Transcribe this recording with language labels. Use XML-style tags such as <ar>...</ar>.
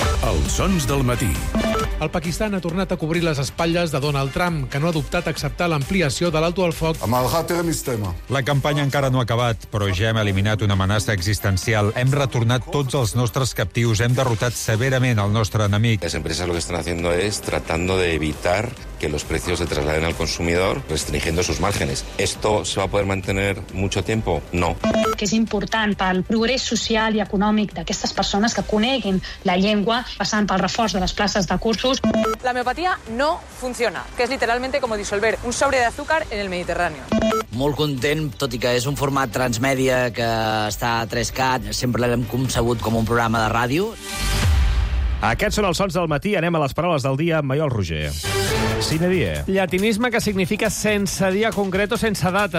<ca>Els sons del matí. El Pakistan ha tornat a cobrir les espatlles de Donald Trump, que no ha dubtat a acceptar l'ampliació de l'alto al foc. La campanya encara no ha acabat, però ja hem eliminat una amenaça existencial. Hem retornat tots els nostres captius, hem derrotat severament el nostre enemic.</ca> <es>Les empreses lo que están haciendo es tratando de evitar que los precios se trasladen al consumidor, restringiendo sus márgenes. ¿Esto se va a poder mantener mucho tiempo? No.</es> <ca>Que és important pel progrés social i econòmic d'aquestes persones que coneguin la llengua passant pel reforç de les places de cursos. La homeopatia no funciona, que és</ca> <es>literalmente como disolver un sobre de azúcar en el Mediterráneo.</es> <ca>Molt content, tot i que és un format transmèdia que està a 3CAT, sempre l'hem concebut com un programa de ràdio. Aquests són els sons del matí. Anem a les paraules del dia amb Maiol Roger. Sine die. Llatinisme que significa sense dia concret o sense data.</ca>